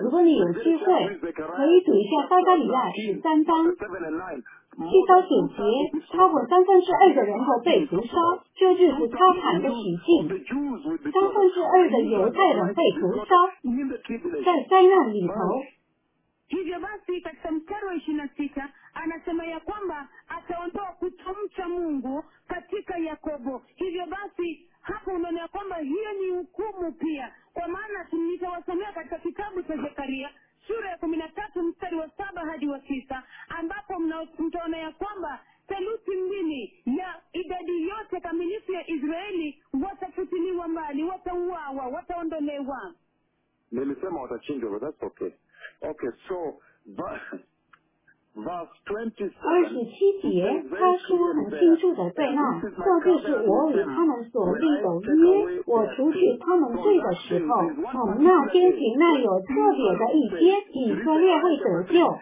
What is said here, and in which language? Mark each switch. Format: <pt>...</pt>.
<zh>如果你有机会，可以读一下撒加利亚13章7到9节，他们32的人口被屠杀，这就是他谈的洗净。 32的犹太人被屠杀，在灾难里头。</zh> <sw>Hivyo basi katika mstari wa 26 anasema ya kwamba ataondoa kutomcha Mungu katika Yakobo. Hivyo basi hapo unaona ya kwamba hiyo ni hukumu pia, kwa maana nitawasomea katika kitabu cha Zekaria sura ya 13 mstari wa 7 hadi 9, ambapo mtaona ya kwamba theluthi mbili ya idadi yote kamilifu ya Israeli watafutiliwa mbali, watauawa, wataondolewa. Nilisema watachinjwa,</sw> <en>but that's okay. Okay, so verse 27.</en> <zh>27节，他说很清楚的在那，这就是我与他们所立的约。我除去他们罪的时候，从那天起，那有特别的一天，以色列会得救。</zh>